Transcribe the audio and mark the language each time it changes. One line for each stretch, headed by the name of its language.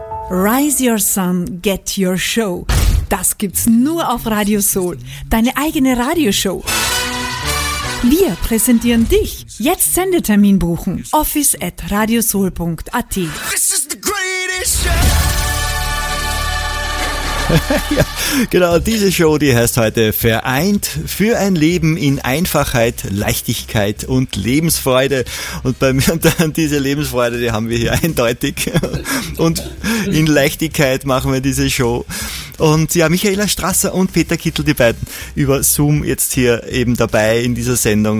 English: Rise your sun, get your show.
German: Das gibt's nur auf Radio Soul. Deine eigene Radioshow. Wir präsentieren dich. Jetzt Sendetermin buchen. office@radiosoul.at.
English: This is the greatest show.
German: Ja, genau, diese Show, die heißt heute Vereint für ein Leben in Einfachheit, Leichtigkeit und Lebensfreude. Und bei mir dann diese Lebensfreude, die haben wir hier eindeutig. Und in Leichtigkeit machen wir diese Show. Und ja, Michaela Strasser und Peter Kittel, die beiden über Zoom jetzt hier eben dabei in dieser Sendung.